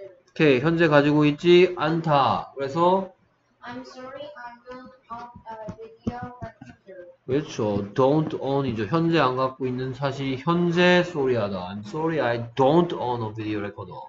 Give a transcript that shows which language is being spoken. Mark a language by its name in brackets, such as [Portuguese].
[Korean] 오케이, 현재 가지고 있지 않다. 그래서 [English] I'm sorry, I don't have a video recorder. [Korean] 그렇죠, [English] don't own [Korean] 이죠. 현재 안 갖고 있는 사실이 현재 소리하다. [English] I'm sorry, I don't own a video recorder.